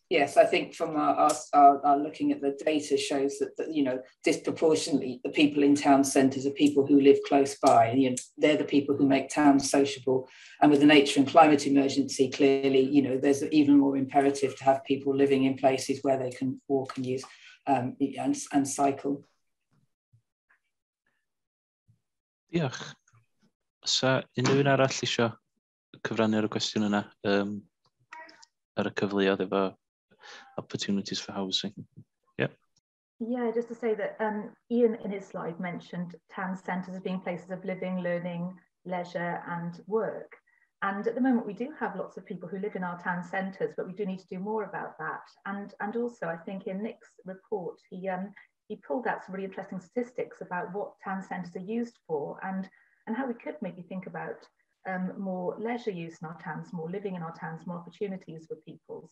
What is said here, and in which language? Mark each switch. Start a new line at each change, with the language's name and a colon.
English: Yes, I think from our looking at the data shows that, you know, disproportionately the people in town centres are people who live close by. And, you know, they're the people who make towns sociable. And with the nature and climate emergency, clearly, you know, there's even more imperative to have people living in places where they can walk and use and cycle.
Welsh: Diolch. Sa unrhyw un arall isio cyfrannu ar y cwestiwn yna ar y cyfleoedd efo
English: opportunities for housing? Yeah, just to say that Ian in his slide mentioned town centres as being places of living, learning, leisure and work. And at the moment we do have lots of people who live in our town centres, but we do need to do more about that. And also I think in Nick's report he pulled out some really interesting statistics about what town centres are used for and how we could maybe think about more leisure use in our towns, more living in our towns, more opportunities for people.